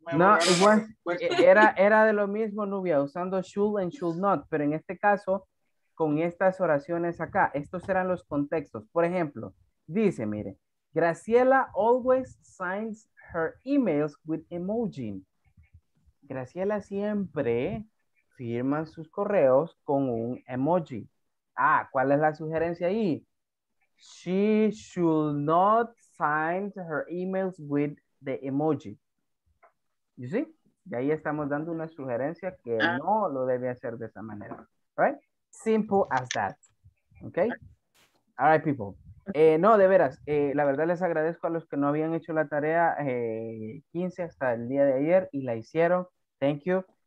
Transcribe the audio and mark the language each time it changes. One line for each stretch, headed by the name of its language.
Spanish: No, igual, era de lo mismo, Nubia, usando
English: should and should not,
Spanish: pero en este caso, con estas oraciones acá, estos eran los contextos. Por ejemplo, dice, mire,
English: Graciela always signs her emails with emoji.
Spanish: Graciela siempre firma sus correos con un emoji. Ah, ¿cuál es la sugerencia ahí?
English: She should not sign her emails with the emoji. You see?
Spanish: Y ahí estamos dando una sugerencia que no lo debe hacer de esa manera.
English: Right? Simple as that. Okay? All right, people.
Spanish: No, de veras, la verdad les agradezco a los que no habían hecho la tarea 15 hasta el día de ayer y la hicieron.
English: Thank you.